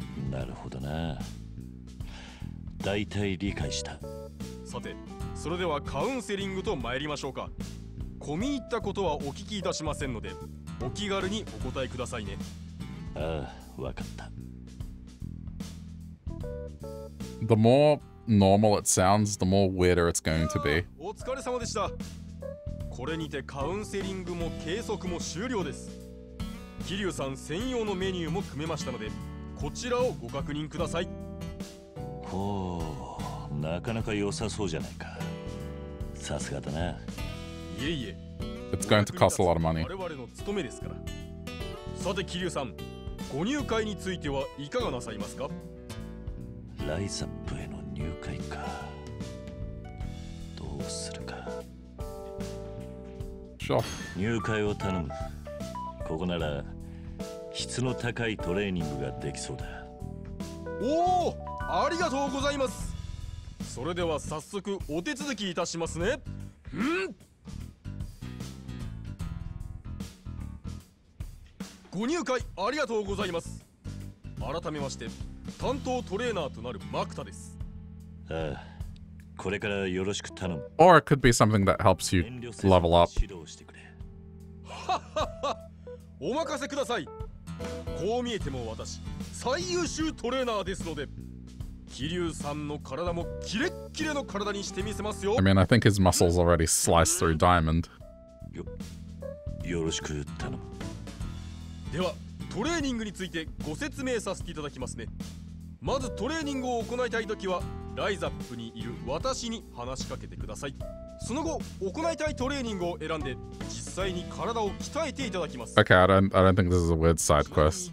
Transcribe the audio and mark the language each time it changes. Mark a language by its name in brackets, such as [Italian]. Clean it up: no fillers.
[Japanese] なるほどな、大体理解した。さて、それではカウンセリングと参りましょうか。込み入ったことはお聞きいたしませんので、お気軽にお答えくださいね。ああ、わかった。 [English] The more normal it sounds, the more weirder it's going to be. [Japanese] お疲れ様でした。これにてカウンセリングも計測も終了です。キリュウさん専用のメニューも組めましたので、こちらをご確認ください。ほう、なかなか良さそうじゃないか。さすがだな。いえいえ。 [English] It's going to cost a lot of money. [Japanese] 我々の務めですから。さて、キリュウさん、ご入会についてはいかがなさいますか？ライザップへの入会か。どうするか。 [English] Sure. [Japanese] 入会を頼む。ここなら質の高いトレーニングができそうだ。おお、ありがとうございます。それでは早速お手続きいたしますね。ご入会ありがとうございます。改めまして、担当トレーナーとなるマクタです。ああ、これからよろしく頼む。 [English] Or it could be something that helps you level up. [Japanese] 指導してくれ。お任せください。こう見えても私、最優秀トレーナーですので、キリュウさんの体もキレッキレの体にしてみせますよ。 [English] I mean, I think his muscles already sliced through diamond. [Japanese] よろしく頼む。では、トレーニングについてご説明させていただきますね。まずトレーニングを行いたいときは、ライザップにいる私に話しかけてください。その後、行いたいトレーニングを選んで、実際に体を鍛えていただきます。 [English] Okay, I don't think this is a weird side quest.